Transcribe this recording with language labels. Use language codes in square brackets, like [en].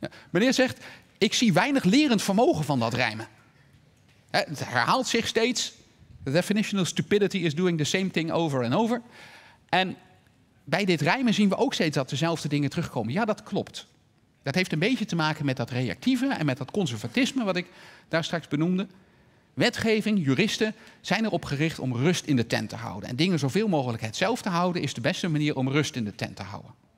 [nl] Meneer zegt, ik zie weinig lerend vermogen van dat rijmen. Het herhaalt zich steeds. [en] The definition of stupidity is doing the same thing over and over. [nl] En bij dit rijmen zien we ook steeds dat dezelfde dingen terugkomen. Ja, dat klopt. Dat heeft een beetje te maken met dat reactieve en met dat conservatisme wat ik daar straks benoemde. Wetgeving, juristen zijn erop gericht om rust in de tent te houden. En dingen zoveel mogelijk hetzelfde houden is de beste manier om rust in de tent te houden.